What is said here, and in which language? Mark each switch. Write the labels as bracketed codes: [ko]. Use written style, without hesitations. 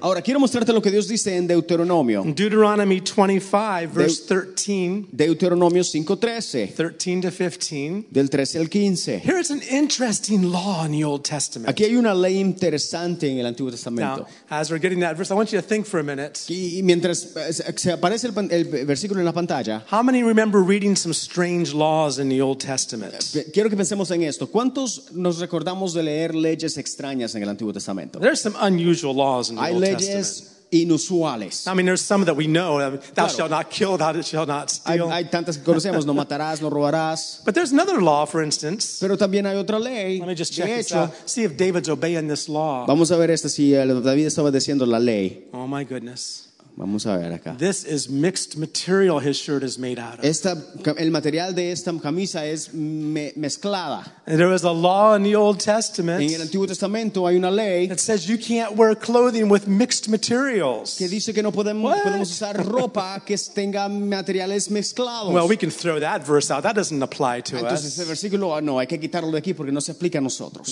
[es] Ahora, quiero mostrarte lo que Dios dice en Deuteronomio. [en] In Deuteronomy 25, verse 13. [es] Deuteronomio 5:13. [en] 13 to 15. [es] Del 13 al 15. [en] Here is an interesting law in the Old Testament. [es] Aquí hay una ley interesante en el Antiguo Testamento. [en] Now, as we're getting that verse, I want you to think for a minute. [es] Y mientras se aparece el versículo en la pantalla. [en] How many remember reading some strange laws in the Old Testament? [es] Quiero que pensemos en esto. ¿Cuántos nos recordamos de leer leyes extrañas en el Antiguo Testamento? [en] There's some unusual laws in the [es] Hay [en] Old [es] leyes [en] Testament. [es] Inusuales. [en] I mean, there's some that we know. Thou [es] claro. [en] shalt not kill, thou shalt not steal. [es] Hay tantas que conocemos. No matarás, no robarás. [en] But there's another law, for instance. [es] Pero también hay otra ley. [en] Let me just check [es] hecho, [en] this out. See if David's obeying this law. [es] Vamos a ver esto, si David está obedeciendo la ley. [en] Oh, my goodness. [es] Vamos a ver acá. [en] This is mixed material his shirt is made out of. [es] Esta, el material de esta camisa es mezclada. [en] There was a law in the Old Testament. [es] En el Antiguo Testamento hay una ley. [en] That says you can't wear clothing with mixed materials. [es] Que dice que no podemos usar ropa que tenga materiales mezclados. [en] Well, we can throw that verse out. That doesn't apply to [es] Entonces, [en] us. [es] Entonces ese versículo, no, hay que quitarlo de aquí porque no se aplica a nosotros.